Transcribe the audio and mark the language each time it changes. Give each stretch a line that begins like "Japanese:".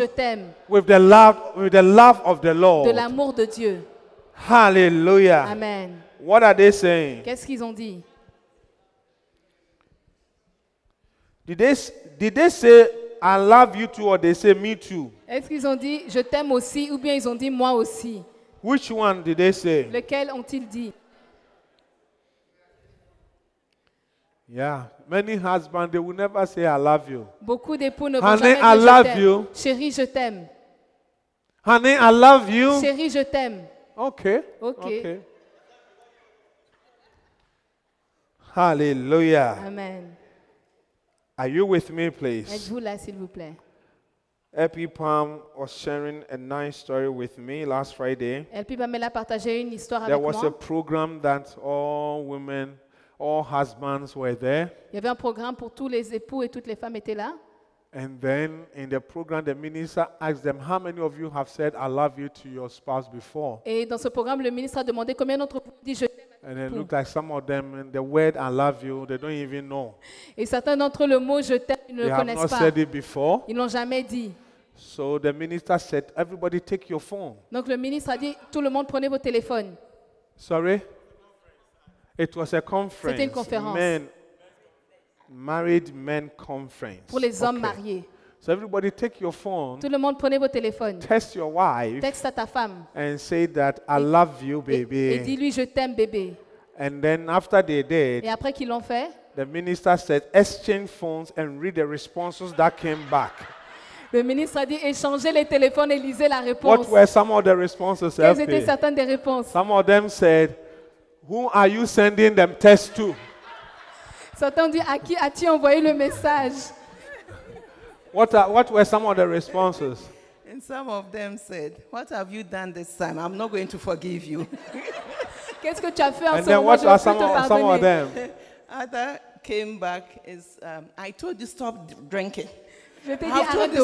French: Je t'aime.
English: With the love of the Lord.
French: De l'amour de Dieu. Hallelujah. Amen.
English: What are they saying?
French: Qu'est-ce qu'ils ont dit?
English: Did they say I love you too or they say me too?
French: Est-ce qu'ils ont dit je t'aime aussi ou bien ils ont dit moi aussi?
English: Which one did they say?
French: Lequel ont-ils dit?
English: Yeah, many husbands they will never say I love you.
French: Beaucoup d'époux ne
English: honey,
French: vont jamais
English: I
French: dire
English: love
French: je
English: you.
French: Chérie, je t'aime.
English: Honey, I love you.
French: Chérie, je t'aime.
English: Okay. Okay. Okay. Hallelujah. Amen. Are you with me, please?
French: Êtes-vous là, s'il vous plaît?
English: Epi Pam was sharing a nice story with me last Friday.
French: Epi Pam a partagé une histoire
English: there
French: avec moi.
English: There was a program that all women, all husbands were there.
French: Il y avait un programme pour tous les époux et toutes les femmes étaient là.
English: And then in the program, the minister asked them, "How many of you have said 'I love you' to your spouse before?"
French: Et dans ce programme, le ministre a demandé combien d'entre vous dit je
English: And it looked like some of them, the word "I love you," they don't even know.
French: Et certains d'entre le mot "je t'aime" ne le connaissent pas.
English: They have not said it before.
French: Ils l'ont jamais dit.
English: So the minister said, "Everybody, take your phone."
French: Donc le ministre a dit, tout le monde prenez vos téléphones.
English: Sorry, it was a conference.
French: C'était une conférence.
English: Men, married men conference.
French: Pour les hommes mariés.
English: So everybody, take your phone.
French: Tout le monde, prenez vos téléphones.
English: Text your wife.
French: Texte à ta femme.
English: And say that I love you, baby.
French: Et dis-lui je t'aime, bébé.
English: And then after they did.
French: Et après qu'ils l'ont fait.
English: The minister said, exchange phones and read the responses that came back.
French: Le ministre a dit échangez les téléphones et lisez la réponse.
English: What were some of the responses?
French: Quelles étaient certaines des réponses?
English: Some of them said, who are you sending them text to?
French: Certains dit à qui as-tu envoyé le message?
English: What were some of the responses? And some of them said, "What have you done this time? I'm not going to forgive you."
French: Qu'est-ce que tu as fait en
English: And then what are some of them? Other came back is, "I told you stop drinking."
French: Je t'ai dit,
English: I told you